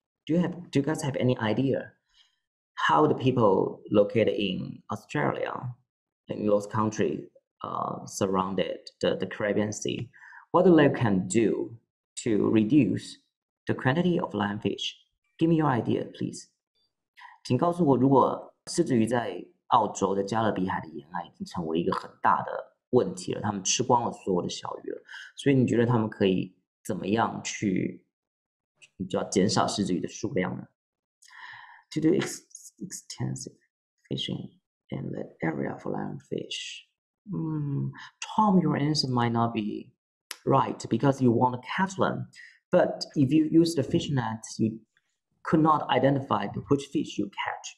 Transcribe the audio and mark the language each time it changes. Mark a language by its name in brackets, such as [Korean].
[English] Do you guys have any idea how the people located in Australia, in those countries, surrounded the Caribbean Sea, what the lab can do to reduce the quantity of lionfish? Give me your idea, please. [Chinese] 请告诉我，如果狮子鱼在澳洲的加勒比海的沿岸已经成为一个很大的问题了，他们吃光了所有的小鱼了，所以你觉得他们可以怎么样去，你就要减少狮子鱼的数量呢？ [English] To do extensive fishing in the area for lionfish. Tom, your answer might not be right because you want to catch them. But if you use the fish net, you could not identify which fish you catch.